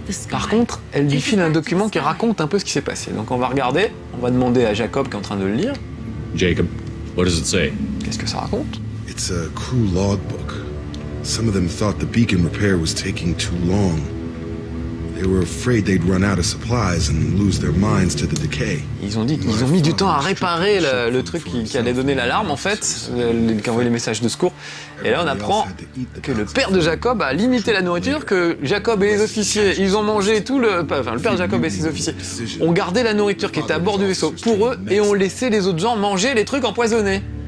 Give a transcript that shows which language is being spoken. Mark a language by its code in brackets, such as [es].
[fr] Par contre, elle lui file un document qui raconte un peu ce qui s'est passé. Donc on va regarder, on va demander à Jacob qui est en train de le lire. [en] Jacob, what does it say? [fr] Qu'est-ce que ça raconte? [en] It's a crew logbook. Some of them thought the beacon repair was taking too long. They were afraid they'd run out of supplies and lose their minds to the decay. [fr] Ils ont dit qu'ils ont mis du temps à réparer le truc qui allait donner l'alarme, en fait, qui envoyait les messages de secours. Et là, on apprend que le père de Jacob a limité la nourriture, que Jacob et les officiers, ils ont mangé tout le... Enfin, le père de Jacob et ses officiers ont gardé la nourriture qui était à bord du vaisseau pour eux et ont laissé les autres gens manger les trucs empoisonnés.